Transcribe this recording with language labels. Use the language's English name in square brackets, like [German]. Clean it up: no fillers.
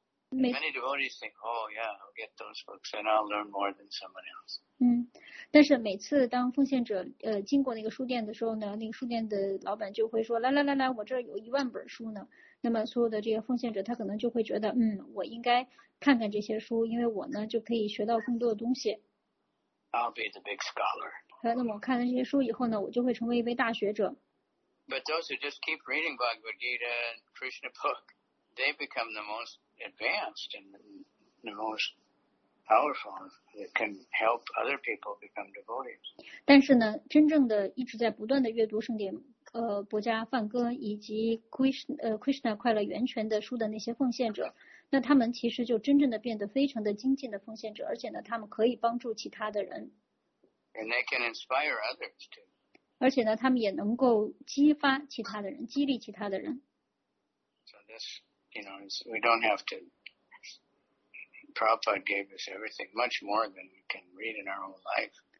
[English] Many devotees think, oh yeah, I'll get those books and I'll learn more than someone else. [Chinese] 但是每次当奉献者经过那个书店的时候呢，那个书店的老板就会说，来来来来，我这儿有一万本书呢。那么所有的这些奉献者他可能就会觉得，我应该看看这些书，因为我呢就可以学到更多的东西。 [English] I'll be the big scholar. [Chinese] 那么我看了这些书以后呢，我就会成为一位大学者。 [English] But those who just keep reading Bhagavad Gita and Krishna book, they become the most advanced and the most powerful that can help other people become devotees. [Chinese] 但是呢，真正的一直在不断的阅读圣典，薄伽梵歌以及 Krishna 快乐源泉的书的那些奉献者，那他们其实就真正的变得非常的精进的奉献者，而且呢，他们可以帮助其他的人。 [English] And they can inspire others too. [Chinese] 而且呢，他们也能够激发其他的人，激励其他的人。 [English] So this, you know, we don't have to. Prabhupada gave us everything, much more than we can read in our own life.